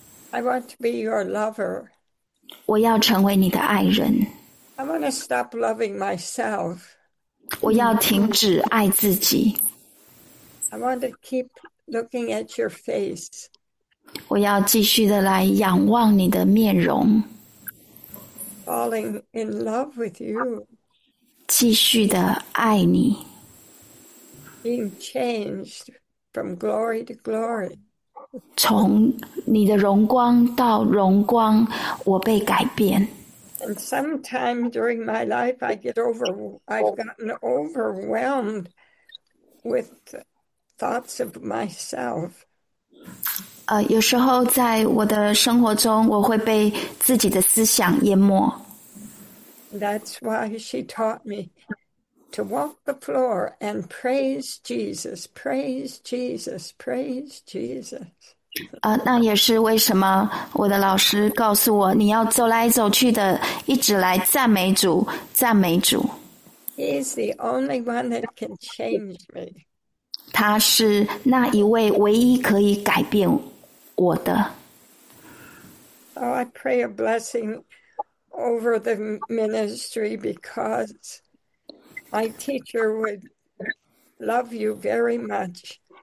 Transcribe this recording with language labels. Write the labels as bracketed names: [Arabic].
[English] I want to be your lover. [Chinese] 我要成为你的爱人。 [English] I want to stop loving myself. [Chinese] 我要停止爱自己。 [English] I want to keep looking at your face. [Chinese] 我要继续的来仰望你的面容， [English] Falling in love with you. [Chinese] 继续的爱你。 [English] Being changed from glory to glory. [Chinese] 从你的荣光到荣光，我被改变。 [English] And sometime during my life, I've gotten overwhelmed with thoughts of myself. [Chinese] 有时候在我的生活中，我会被自己的思想淹没。 [English] That's why she taught me to walk the floor and praise Jesus, praise Jesus, praise Jesus. [Chinese] 那也是为什么我的老师告诉我，你要走来走去的，一直来赞美主，赞美主。 [English] He is the only one that can change me. [Chinese] 他是那一位唯一可以改变我的。 [English] Oh, I pray a blessing over the ministry because my teacher would love you very much.